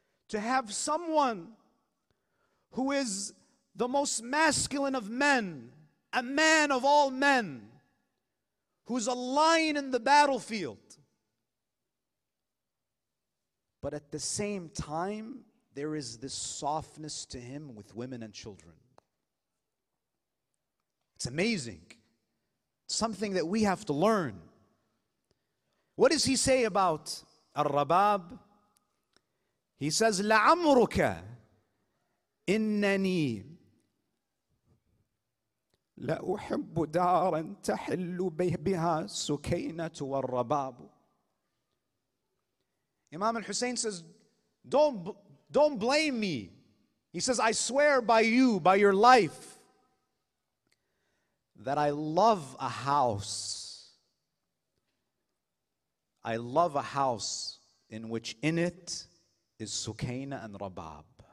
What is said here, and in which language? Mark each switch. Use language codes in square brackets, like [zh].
[en] To have someone who is the most masculine of men, a man of all men, who's a lion in the battlefield, but at the same time, there is this softness to him with women and children. It's amazing. It's something that we have to learn. What does he say about Ar-Rabab? He says, [ar] لَعَمْرُكَ إِنَّنِي لَأُحِبُّ دَارًا تَحِلُّ بِهَا سُكَيْنَةُ وَالرَّبَابُ. [en] Imam al-Hussein says, don't blame me He says, I swear by you, by your life, that I love a house. I love a house in which in it is Sukaina and Rabab.